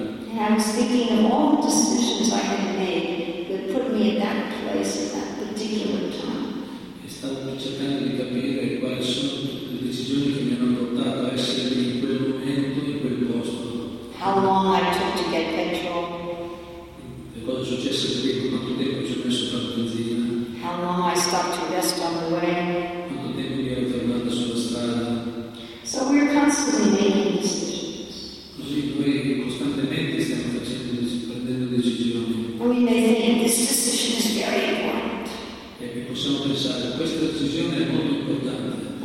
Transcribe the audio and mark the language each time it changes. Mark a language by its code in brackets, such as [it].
[en] And I was thinking of all the decisions I had made that put me in that place at that particular time. [it] Stavo cercando di capire quali sono le decisioni che mi hanno portato a essere in quel momento, in quel posto. [en] How long I took to get petrol? [it] E cosa è successo qui? Quanto tempo ci ho messo per la benzina? [en] How long I stopped to rest on the way? [it] Quanto tempo mi ero fermato sulla strada? [en] So we are constantly making decisions. [it] Così noi costantemente stiamo facendo, prendendo decisioni. [en] We may think this decision is very important. [it] E possiamo pensare, questa decisione è molto importante.